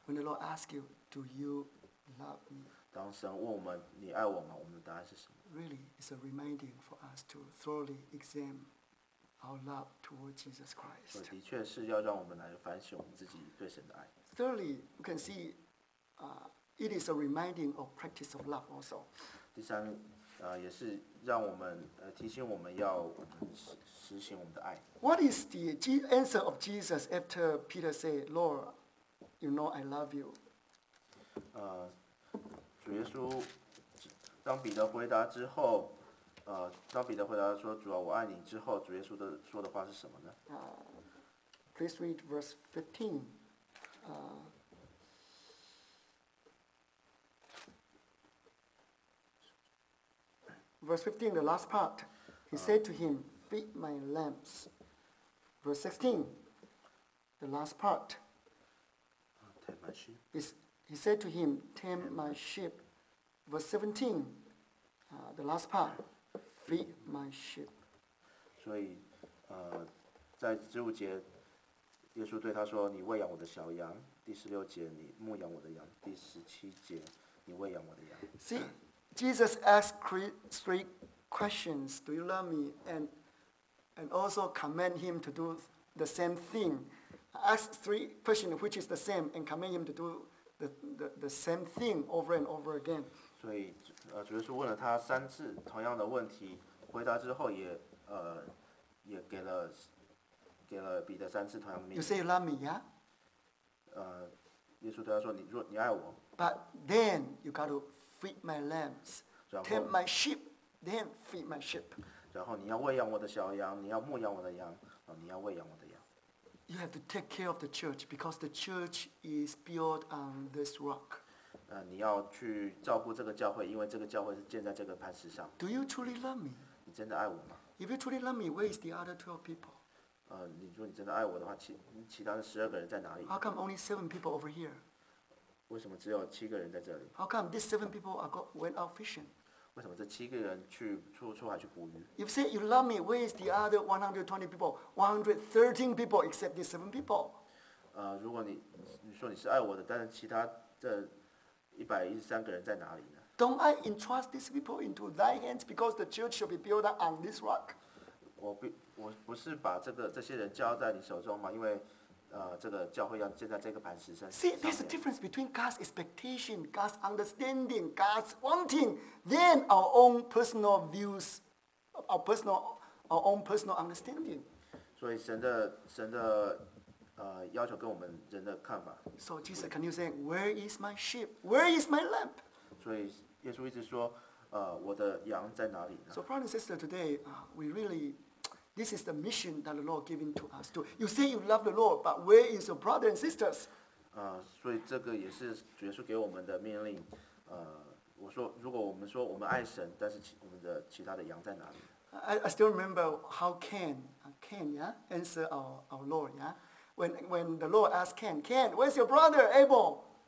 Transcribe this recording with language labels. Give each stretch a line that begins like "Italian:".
English: When the Lord asks you, "Do you love me?"
Chinese: 当神问我们，你爱我吗？我们的答案是什么？
English: Really, it's a reminding for us to thoroughly examine our love toward Jesus Christ.
Chinese: 的确是要让我们来反省我们自己对神的爱。
English: Thirdly, you can see, it is a reminding of practice of love also.
Chinese: 第三，也是让我们提醒我们要实行我们的爱。
English: What is the answer of Jesus after Peter said, "Lord, you know I love you"?
Chinese: 主耶稣。当彼得回答之后，当彼得回答说主啊我爱你之后，主耶稣的说的话是什么呢？
English: Please read verse 15. Verse 15, the last part. He said to him, "Feed my lambs." Verse 16, the last part. Tame my sheep. He said to him, "Tame my sheep." Verse 17. The last part, feed my sheep.
Chinese: 所以，在十五节，耶稣对他说：“你喂养我的小羊。” 第十六节，你牧养我的羊。第十七节，你喂养我的羊。
English: See, Jesus asked three questions: "Do you love me?" and also command him to do the same thing. Ask three questions, which is the same, and command him to do the same thing over and over again.
Chinese: 所以。主耶稣问了他三次同样的问题，回答之后也给了彼得三次同样的命令。
English: You say you love me, yeah?
Chinese: 耶稣对他说：“你爱我。
English: ”But then you got to feed my lambs, tend my sheep, then feed my sheep.
Chinese: 然后你要喂养我的小羊，你要牧养我的羊，你要喂养我的羊。
English: You have to take care of the church because the church is built on this rock.
Chinese: 你要去照顾这个教会，因为这个教会是建在这个磐石上。
English: Do you truly love me?
Chinese: 你真的爱我吗？
English: If you truly love me, where is the other 12 people?
Chinese: 你说你真的爱我的话，其他的十二个人在哪里？
English: How come only 7 people over here?
Chinese: 为什么只有七个人在这里？
English: How come these 7 people went out fishing?
Chinese: 为什么这七个人去出海去捕鱼？
English: If you say you love me, where is the other 120 people? 113 people except these 7 people.
Chinese: 如果你说你是爱我的，但是其他这113个人在哪里呢？
English: Don't I entrust these people into thy hands because the church shall be built on this rock?
Chinese: 我不是把这些人交在你手中吗？因为这个教会要建在这个磐石上。
English: See, there's a difference between God's expectation, God's understanding, God's wanting, then our own personal views, our own personal understanding.
Chinese: 所以神的要求跟我们人的看法。
English: So Jesus, can you say, "Where is my sheep? Where is my lamb?"
Chinese: 所以耶稣一直说，我的羊在哪里呢？
English: So brother and sister, today, we really, this is the mission that the Lord giving to us. You say you love the Lord, but where is your brother and sisters?
Chinese: 所以这个也是耶稣给我们的命令。我说，如果我们说我们爱神，但是我们的其他的羊在哪里？
English: I still remember how Cain yeah answer our Lord yeah when the Lord asked Cain where's your brother Abel?